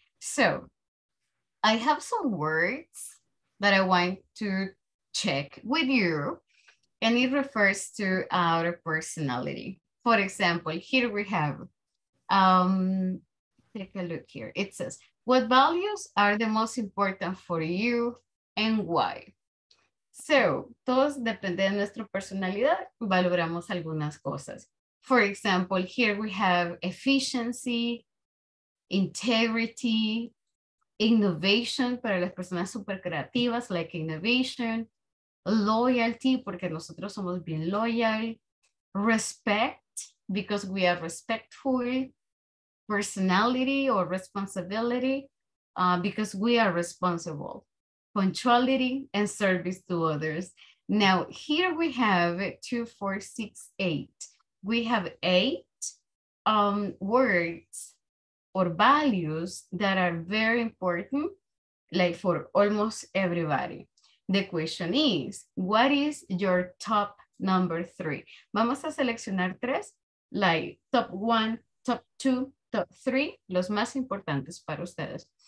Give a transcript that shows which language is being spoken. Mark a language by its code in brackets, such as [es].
[en] So I have some words that I want to check with you, and it refers to our personality. For example, here we have, take a look here. It says, what values are the most important for you and why? [es] So, todos depende de nuestra personalidad, valoramos algunas cosas. [en] For example, here we have efficiency, integrity, innovation, [es] para las personas super creativas, [en] like innovation. Loyalty, [es] porque nosotros somos bien [en] loyal. Respect, because we are respectful. Personality or responsibility, because we are responsible. Punctuality and service to others. Now, here we have 2, 4, 6, 8. We have 8 words or values that are very important, like for almost everybody. The question is, what is your top number 3? [es] Vamos a seleccionar 3, [en] like top 1, top 2, top 3, [es] los más importantes para ustedes.